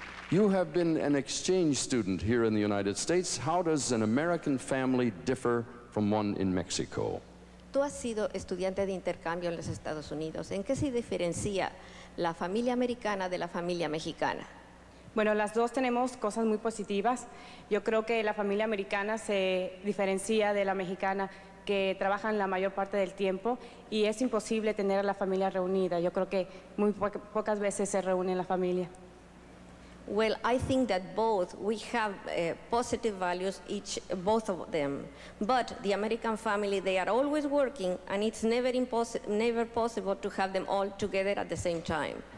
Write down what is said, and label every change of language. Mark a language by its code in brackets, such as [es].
[en] You have been an exchange student here in the United States. How does an American family differ from one in Mexico? [es] Tú has sido estudiante de intercambio en los Estados Unidos. ¿En qué se diferencia la familia americana de la familia mexicana? Bueno, las dos tenemos cosas muy positivas. Yo creo que la familia americana se diferencia de la mexicana, que trabajan la mayor parte del tiempo y es imposible tener a la familia reunida. Yo creo que muy pocas veces se reúne la familia. [en] Well, I think that both we have positive values, each both of them. But the American family, they are always working and it's never possible to have them all together at the same time.